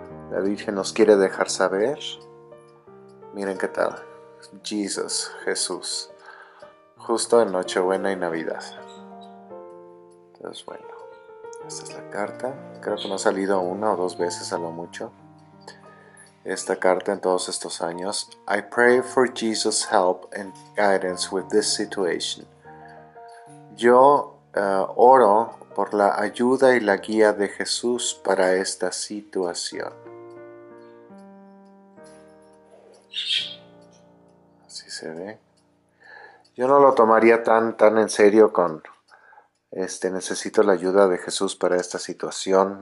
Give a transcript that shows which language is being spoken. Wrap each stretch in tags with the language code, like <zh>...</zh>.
<es>La Virgen nos quiere dejar saber, miren qué tal, Jesús, justo en Nochebuena y Navidad. Entonces, bueno, esta es la carta, creo que me ha salido 1 o 2 veces a lo mucho, esta carta en todos estos años.</es> <en>I pray for Jesus' help and guidance with this situation.</en> <es>Yo oro por la ayuda y la guía de Jesús para esta situación. Así se ve. Yo no lo tomaría tan en serio con necesito la ayuda de Jesús para esta situación.</es>